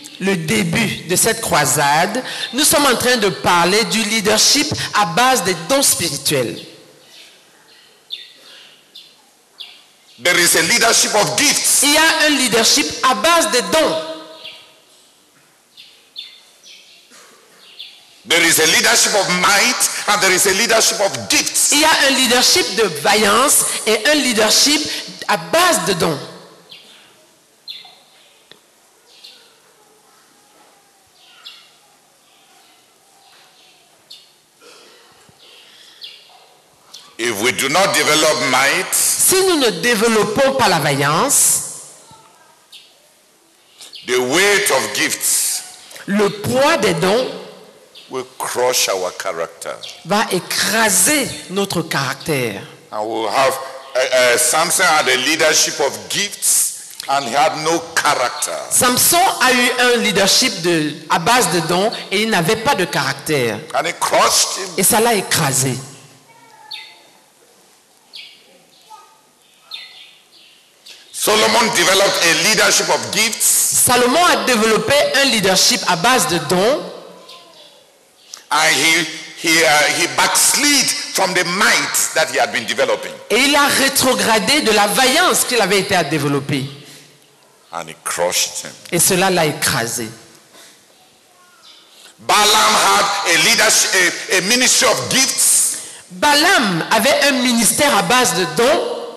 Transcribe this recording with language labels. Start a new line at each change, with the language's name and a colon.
French: le début de cette croisade, nous sommes en train de parler du leadership à base des dons spirituels.
English: There is a leadership of gifts.
French: Il y a un leadership à base de dons.
English: There is a leadership of might and there is a leadership of gifts.
French: Il y a un leadership de vaillance et un leadership à base de dons.
English: If we do not develop might,
French: si nous ne développons pas la vaillance,
English: the weight of gifts,
French: le poids des dons,
English: will crush our character,
French: va écraser notre caractère.
English: And we'll have Samson had a leadership of gifts and he had no character. character.
French: Samson a eu un leadership de, à base de dons et il n'avait pas de caractère.
English: And it crushed him.
French: Et ça l'a écrasé.
English: Solomon developed a leadership of gifts.
French: Salomon a développé un leadership à base de dons.
English: And he backslid from the might that he had been developing.
French: Et il a rétrogradé de la vaillance qu'il avait été à développer.
English: And it crushed him.
French: Et cela l'a écrasé.
English: Balaam had a leadership, a ministry of gifts.
French: Balaam avait un ministère à base de dons.